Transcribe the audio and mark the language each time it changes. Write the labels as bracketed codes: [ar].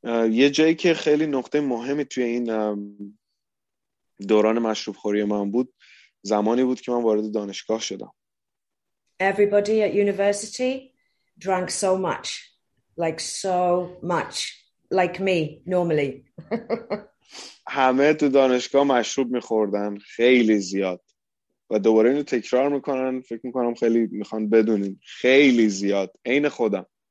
[fa] یه جایی که خیلی نقطه مهمی توی این دوران مشروب خوری من بود، زمانی بود که من وارد دانشگاه شدم. [en] Everybody at university drank so much. Like so much, like me, normally. [fa] همه تو دانشگاه مشروب میخوردن خیلی زیاد و دوباره اینو تکرار میکنن، فکر میکنم خیلی میخوان بدونین، خیلی زیاد، عین خودم.